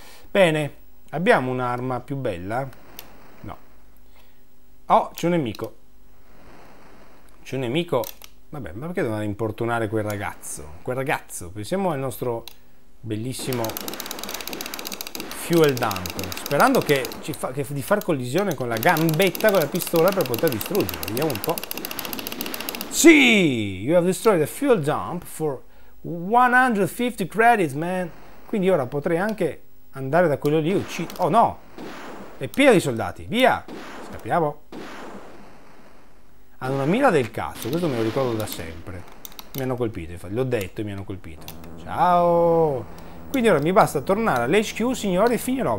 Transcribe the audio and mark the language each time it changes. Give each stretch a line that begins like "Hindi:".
Italian: Bene, abbiamo un'arma più bella? No. Oh, c'è un nemico. C'è un nemico. Vabbè, ma perché dovrei importunare quel ragazzo? Quel ragazzo, pensiamo al nostro bellissimo fuel dump, sperando che ci fa, che di far collisione con la gambetta con la pistola per poter distruggere. Vediamo un po'.
English: Sì, you have destroyed the fuel dump for 150 credits, man.
Italian: Quindi ora potrei anche andare da quello lì e uccidere. Oh no, è pieno di soldati, via, scappiamo. Hanno una mira del cazzo, questo me lo ricordo da sempre. Mi hanno colpito, infatti, l'ho detto, mi hanno colpito. Ciao. Quindi ora mi basta tornare all'HQ, signori, e finirò.